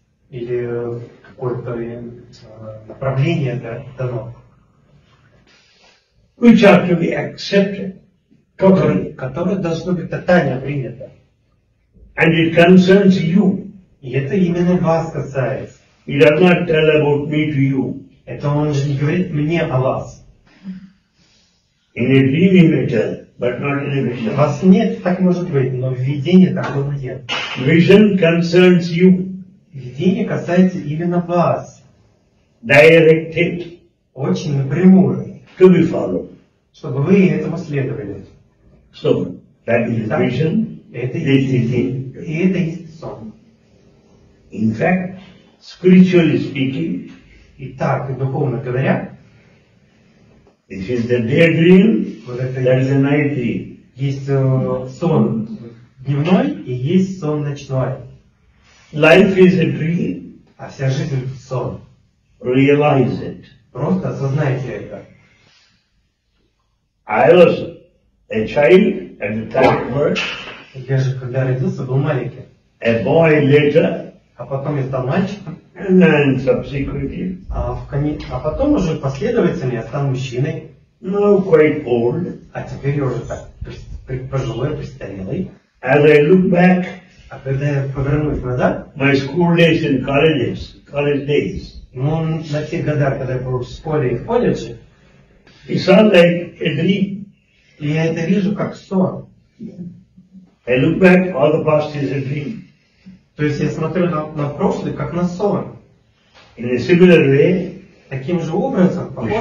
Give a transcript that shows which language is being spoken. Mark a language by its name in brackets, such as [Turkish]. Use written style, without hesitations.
[Russian] Или какое-то направление дано. [English] Which are to be accepted. Totally. [Russian] Которое должно быть тотально принято. [English] And it concerns you. [Russian] И это именно вас касается. [English] He does not tell about me to you. [Russian] Это он же не говорит мне о вас. [English] In a dream he may tell, but not in a vision. [Russian] Вас нет, так может быть, но в видении такого нет. [English] Vision concerns you. [Russian] Видение касается именно вас. [English] Directed. [Russian] Очень напрямую. [English] To be followed. [Russian] Чтобы вы этому следовали. [English] So, that is [Russian] так, [English] vision. [Russian] Это [English] this is vision. [Russian] И это есть сон. [English] In fact, spiritually speaking, [Russian] итак, духовно говоря, [English] this is the daydream, [Russian] вот это [English] that is the night dream. [Russian] Есть сон дневной и есть сон ночной. [English] Life is a dream. [Russian] А вся жизнь – сон. [English] Realize it. [Russian] Просто осознайте это. [English] I was a child at the time of birth. [Russian] Я же когда родился, был маленьким. [English] A boy later. [Russian] А потом я стал мальчиком. [English] And subsequently. [Russian] А потом уже последовательно я стал мужчиной. [English] No, quite old. [Russian] А теперь я уже так пожилой, престарелый. [English] As I look back. [Russian] А когда я повернусь назад. [English] My school days and college days. [Russian] Ну, на те годы, когда я был в школе и в колледже. [English] It sounds like a dream. [Russian] И я это вижу как сон. [English] I look back, all the past is a dream. [Russian] То есть я смотрю на прошлое, как на сон. [English] In a similar way, [Russian] таким же образом, похожим,